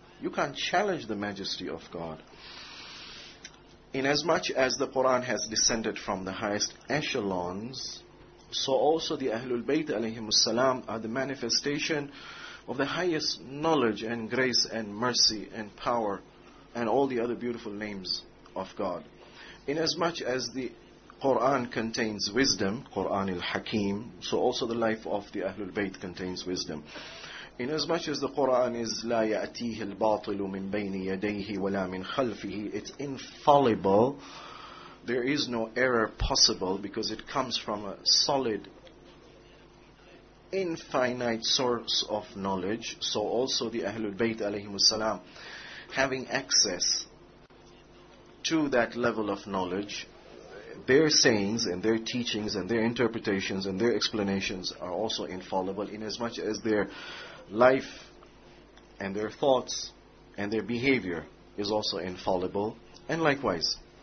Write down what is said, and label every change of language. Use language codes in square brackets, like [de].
[en] You can't challenge the majesty of God. Inasmuch as the Quran has descended from the highest echelons, so also the Ahlul Bayt alayhim as-salam are the manifestation of the highest knowledge and grace and mercy and power and all the other beautiful names of God. Inasmuch as the Quran contains wisdom, Quran al-Hakim, so also the life of the Ahlul Bayt contains wisdom. Inasmuch as the Quran is [ar] لا يأتيه الباطل من بين يديه ولا من خلفه, [en] it's infallible. There is no error possible because it comes from a solid, infinite source of knowledge. So also the Ahlul Bayt alayhimus salam, having access to that level of knowledge, their sayings and their teachings and their interpretations and their explanations are also infallible, inasmuch as their life and their thoughts and their behavior is also infallible, and likewise.